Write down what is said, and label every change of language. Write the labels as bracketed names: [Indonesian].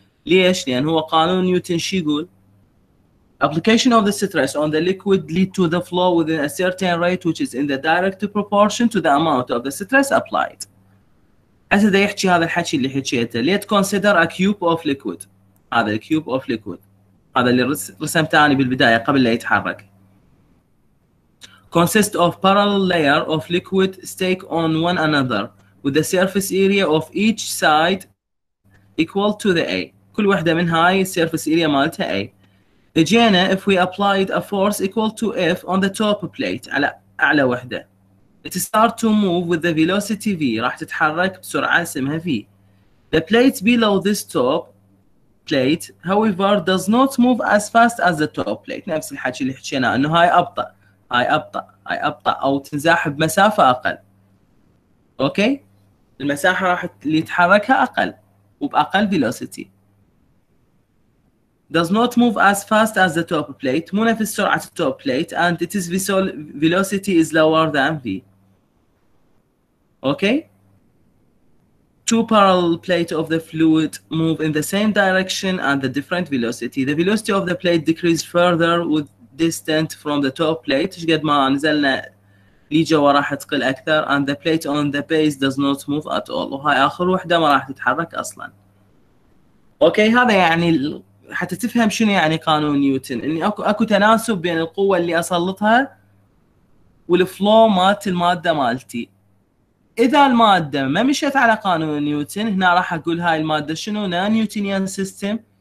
[Arabic] ليش؟ لأن هو قانون نيوتن شي يقول [English] application of the stress on the liquid lead to the flow within a certain rate which is in the direct proportion to the amount of the stress applied. [Arabic] هسه دا يحكي هذا الحكي اللي حكيته. [English] Let consider a cube of liquid. [Arabic] هذا [English] cube of liquid [Arabic] هذا اللي رسمته أنا بالبداية قبل لا يتحرك. [English] Consist of parallel layer of liquid stack on one another with the surface area of each side equal to the A. [Arabic] كل واحدة من هاي surface area مالتها A. إجينا [English] if we applied a force equal to F on the top plate [Arabic] على أعلى واحدة. [English] It start to move with the velocity V. [Arabic] راح تتحرك بسرعة اسمها V. [English] The plate below this top plate however does not move as fast as the top plate. [Arabic] نفس الحكي اللي حكينا أنه هاي أبطأ. هاي أبطأ، هاي أبطأ أو تنزاحب مسافة أقل. أوكي؟ المساحة راح اللي تحركها أقل وبأقل velocity. [English] Does not move as fast as the top plate. [Arabic] مو نفس سرعة [English] top plate and its velocity is lower than V. Okay? Two parallel plates of the fluid move in the same direction and the different velocity. The velocity of the plate decreases further with distant from the top plate. [Arabic] إيش قد ما نزلنا ليجا وراح تقل أكثر. And the plate on the base does not move at all. وهاي آخر واحدة ما راح تتحرك أصلاً. أوكي هذا يعني حتى تفهم شنو يعني قانون نيوتن. إني أكو تناسب بين القوة اللي أسلطها والفلو مات المادة مالتي. إذا المادة ما مشيت على قانون نيوتن هنا راح أقول هاي المادة شنو نان نيوتنيان سيستم.